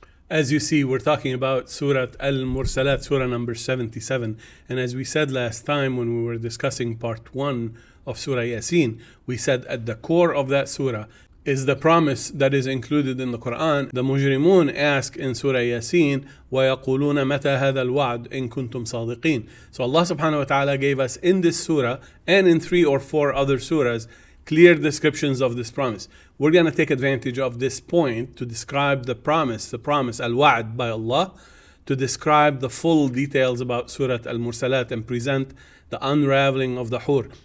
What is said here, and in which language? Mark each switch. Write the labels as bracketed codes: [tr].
[en] As you see, we're talking about Surah Al-Mursalat, Surah number 77. And as we said last time when we were discussing part one of Surah Yasin, we said at the core of that surah is the promise that is included in the Quran. The mujrimun ask in Surah Yasin, [ar] وَيَقُولُونَ مَتَى هَذَا الْوَعْدُ إِن كُنْتُمْ صَادِقِينَ. [en] So Allah subhanahu wa ta'ala gave us in this surah and in three or four other surahs clear descriptions of this promise. We're going to take advantage of this point to describe the promise, al-wa'd by Allah, to describe the full details about Surah Al-Mursalat and present the unraveling of the Hur.